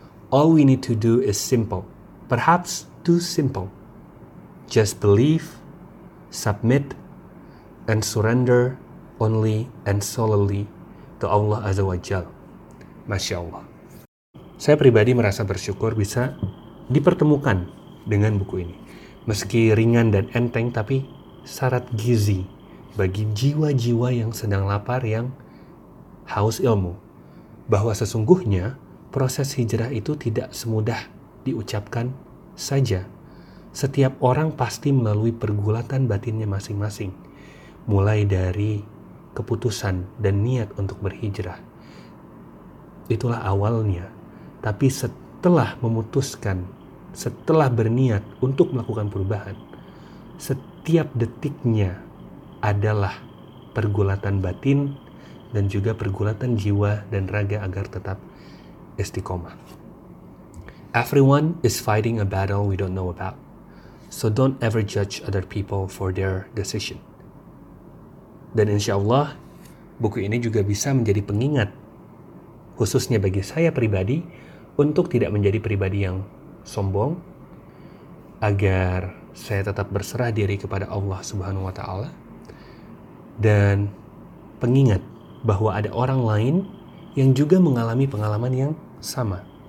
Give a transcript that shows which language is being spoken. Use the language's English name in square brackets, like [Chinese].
[English] All we need to do is simple, perhaps too simple. Just believe, submit, and surrender only and solely to Allah Azza wa Jal." [Indonesian] Masya Allah. Saya pribadi merasa bersyukur bisa dipertemukan dengan buku ini. Meski ringan dan enteng, tapi syarat gizi bagi jiwa-jiwa yang sedang lapar, yang haus ilmu. Bahwa sesungguhnya proses hijrah itu tidak semudah diucapkan saja. Setiap orang pasti melalui pergulatan batinnya masing-masing. Mulai dari keputusan dan niat untuk berhijrah. Itulah awalnya. Tapi setelah memutuskan, setelah berniat untuk melakukan perubahan, setiap detiknya adalah pergulatan batin dan juga pergulatan jiwa dan raga agar tetap istiqomah. [English] Everyone is fighting a battle we don't know about. So don't ever judge other people for their decision. [Indonesian] Dan insya Allah, buku ini juga bisa menjadi pengingat, khususnya bagi saya pribadi, untuk tidak menjadi pribadi yang sombong, agar saya tetap berserah diri kepada Allah Subhanahu wa Ta'ala, dan pengingat bahwa ada orang lain yang juga mengalami pengalaman yang sama.